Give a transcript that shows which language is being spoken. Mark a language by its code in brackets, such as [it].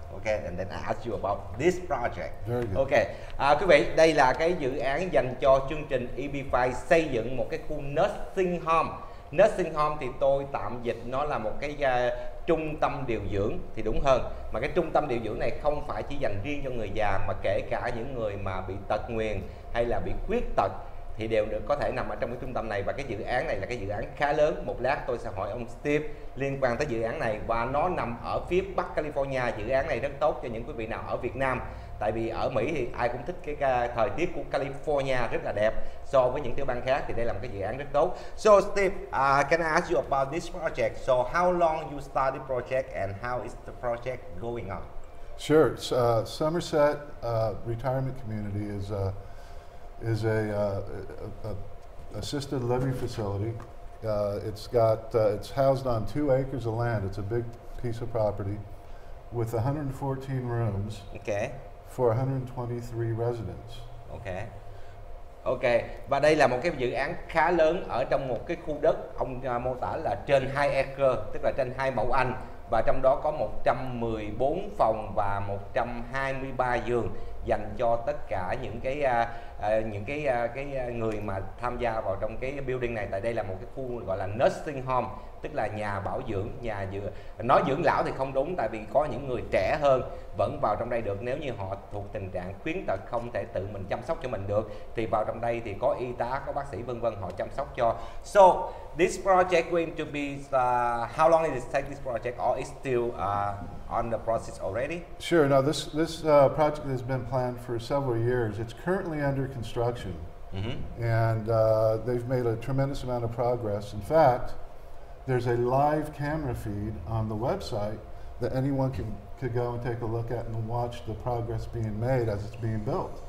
[en] Okay, and then I ask you about this project. Very good. [vi] Okay, quý vị, đây là cái dự án dành cho chương trình EB5, xây dựng một cái khu nursing home. Nursing home thì tôi tạm dịch nó là một cái trung tâm điều dưỡng thì đúng hơn. Mà cái trung tâm điều dưỡng này không phải chỉ dành riêng cho người già, mà kể cả những người mà bị tật nguyền hay là bị khuyết tật thì đều được có thể nằm ở trong cái trung tâm này. Và cái dự án này là cái dự án khá lớn. Một lát tôi sẽ hỏi ông Steve liên quan tới dự án này. Và nó nằm ở phía Bắc California. Dự án này rất tốt cho những quý vị nào ở Việt Nam, tại vì ở Mỹ thì ai cũng thích cái thời tiết của California rất là đẹp so với những tiểu bang khác, thì đây là một cái dự án rất tốt. [en] So Steve, can I ask you about this project? So how long you started the project and how is the project going on? Sure, Somerset Retirement Community is a assisted living facility. It's housed on 2 acres of land. It's a big piece of property with 114 rooms. Okay. For 123 residents. Okay. [vi] Okay, và đây là một cái dự án khá lớn ở trong một cái khu đất ông mô tả là trên 2 acre, tức là trên 2 mẫu anh, và trong đó có 114 phòng và 123 giường dành cho tất cả những cái người mà tham gia vào trong cái building này. Tại đây là một cái khu gọi là nursing home, tức là nhà bảo dưỡng, nhà vừa nói dưỡng lão thì không đúng, tại vì có những người trẻ hơn vẫn vào trong đây được. Nếu như họ thuộc tình trạng khuyến tật không thể tự mình chăm sóc cho mình được thì vào trong đây thì có y tá, có bác sĩ vân vân, họ chăm sóc cho. [en] So this project going to be how long is it take this project, or is still on the process already? Sure. Now this project has been planned for several years. It's currently under construction. Mm-hmm. And they've made a tremendous amount of progress. In fact, there's a live camera feed on the website that anyone could go and take a look at and watch the progress being made as it's being built.